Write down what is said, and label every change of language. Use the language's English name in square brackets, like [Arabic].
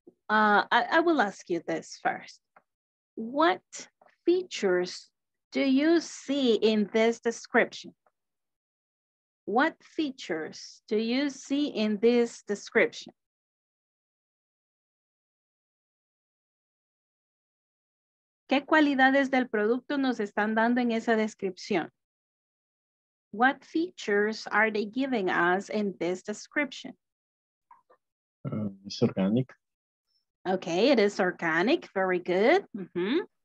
[English] I will ask you this first. What features do you see in this description? What features do you see in this description? [Spanish] ¿Qué cualidades del producto nos están dando en esa descripción? [English] What features are they giving us in this description? It's organic. Okay, it is organic. Very good. Mm-hmm.